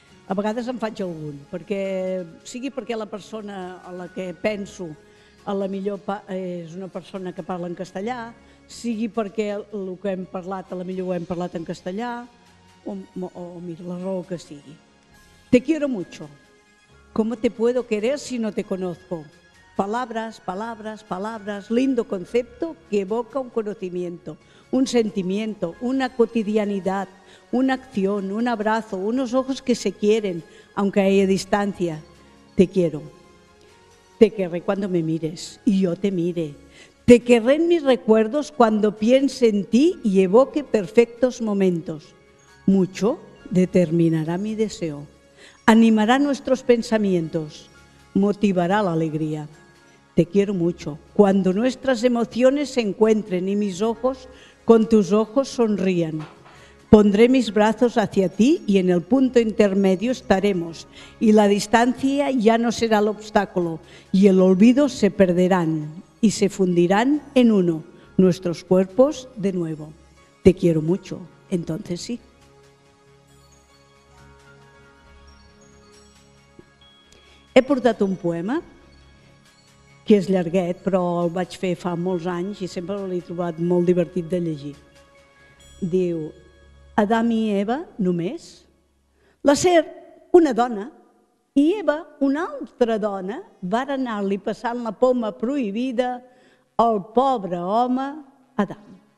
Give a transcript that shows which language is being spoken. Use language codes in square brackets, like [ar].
[ca] A vegades en faig algun, perquè sigui perquè la persona a la que penso a la millor és una persona que parla en castellà, sigui perquè el que hem parlat a la millor ho hem parlat en castellà, o mira, la raó que sigui. [es] Te quiero mucho. ¿Cómo te puedo querer si no te conozco? Palabras, lindo concepto que evoca un conocimiento, un sentimiento, una cotidianidad, una acción, un abrazo, unos ojos que se quieren, aunque haya distancia. Te quiero. Te querré cuando me mires y yo te mire. Te querré en mis recuerdos cuando piense en ti y evoque perfectos momentos. Mucho determinará mi deseo. Animará nuestros pensamientos. Motivará la alegría. Te quiero mucho cuando nuestras emociones se encuentren y mis ojos con tus ojos sonrían. Pondré mis brazos hacia ti y en el punto intermedio estaremos y la distancia ya no será el obstáculo y el olvido se perderán y se fundirán en uno, nuestros cuerpos de nuevo. Te quiero mucho, entonces sí. [ca] He portat un poema que és llarguet, però el vaig fer fa molts anys i sempre l'he trobat molt divertit de llegir. Diu: Adam i Eva només, la serp, una dona, i Eva, una altra dona, van anar-li passant la poma prohibida al pobre home Adam.